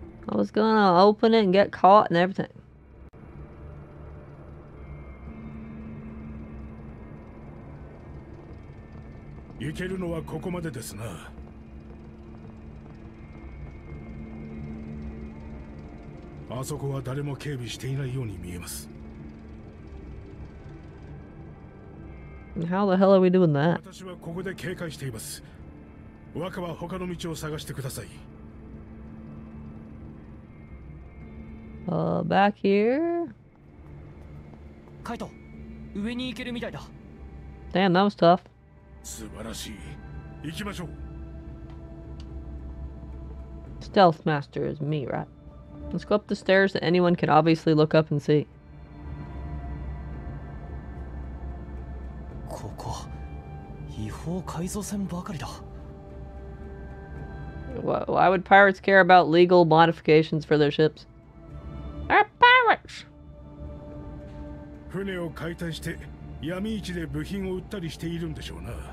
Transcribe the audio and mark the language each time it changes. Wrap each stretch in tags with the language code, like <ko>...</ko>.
<en>I was gonna open it and get caught and everything. You can know what Kokoma did this now.</en> <ja>あそこは誰も警備していないように見えます。</ja> <en>How the hell are we doing that?</en> <ja>私はここで警戒しています。若は他の道を探してください。</ja> <en>Back here?</en> <ja>カイト、上に行けるみたいだ。</ja> <en>Damn, that was tough.</en> <ja>素晴らしい。行きましょう。</ja> <en>Stealth Master is me, right? Let's go up the stairs that anyone can obviously look up and see.</en> <ja>ここ、違法改造船ばかりだ。</ja> <en>Why would pirates care about legal modifications for their ships? They're pirates!</en> <ja>船を解体して闇市で部品を売ったりしているんでしょうな。</ja>